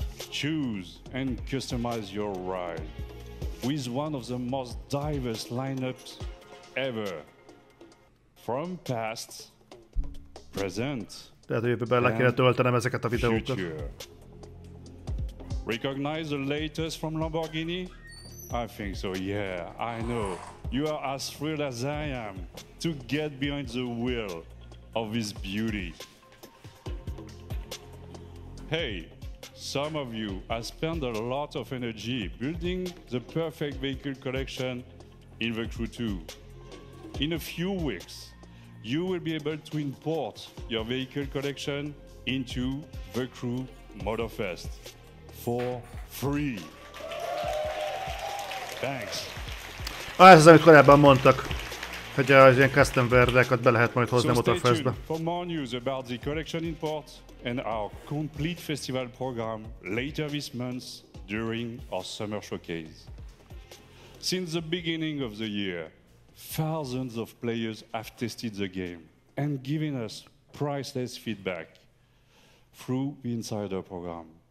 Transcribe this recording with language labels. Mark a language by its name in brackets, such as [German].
[English] Choose and customize your ride with one of the most diverse lineups ever. From past, present, [Hungarian] tehát jövőben le kéne töltenem ezeket a videókat. [English] Future. Recognize the latest from Lamborghini? I think so, yeah, I know. You are as thrilled as I am to get behind the wheel of this beauty. Hey, some of you have spent a lot of energy building the perfect vehicle collection in the Crew 2. In a few weeks, you will be able to import your vehicle collection into the Crew Motorfest for free. Thanks. [Hungarian] Ah, ez az, amit korábban mondtak. hogy az ilyen custom verdeket be lehet majd hozni a Motorfestbe. [English] So stay tuned for more news about the collection imports and our complete festival program later this month during our summer showcase. Since the beginning of the year, thousands of players have tested the game and given us priceless feedback through the Insider program.